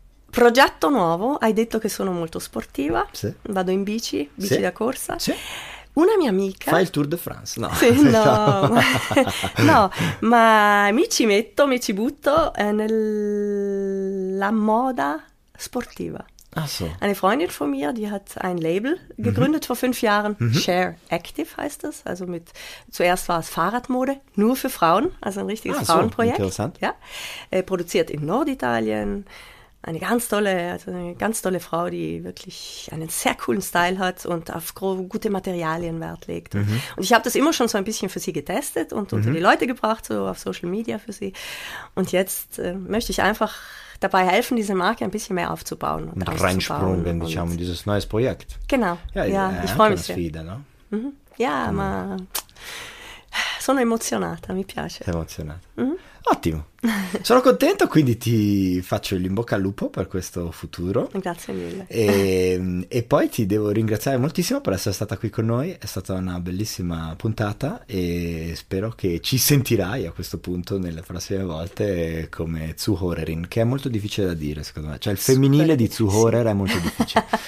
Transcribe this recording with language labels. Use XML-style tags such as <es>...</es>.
<it>Progetto nuovo, hai detto che sono molto sportiva, sì. Vado in bici da corsa. Sì. Una mia amica... Fai il Tour de France, no? Sì, no. No, ma mi ci butto nella moda sportiva.</it> <de>Ach so. Eine Freundin von mir, die hat ein Label gegründet vor 5 Jahren. Share Active heißt es. Also mit, zuerst war es Fahrradmode, nur für Frauen, also ein richtiges Frauenprojekt. So, interessant. Ja. Produziert in Norditalien. Eine ganz tolle, also eine ganz tolle Frau, die wirklich einen sehr coolen Style hat und auf gute Materialien Wert legt. Und ich habe das immer schon so ein bisschen für sie getestet und unter die Leute gebracht, so auf Social Media für sie. Und jetzt möchte ich einfach dabei helfen, diese Marke ein bisschen mehr aufzubauen. Und reinsprungen, wenn ich habe dieses neue Projekt. Genau, ja ich freue mich sehr.</de> <it>Fide, no? Ja, ma sono emozionata, mi piace. Sei emozionata. Ottimo, sono contento, quindi ti faccio in bocca al lupo per questo futuro. Grazie mille. E poi ti devo ringraziare moltissimo per essere stata qui con noi, è stata una bellissima puntata e spero che ci sentirai a questo punto nelle prossime volte come Zuhörerin, che è molto difficile da dire secondo me, cioè il femminile di Zuhörer è molto difficile.</it>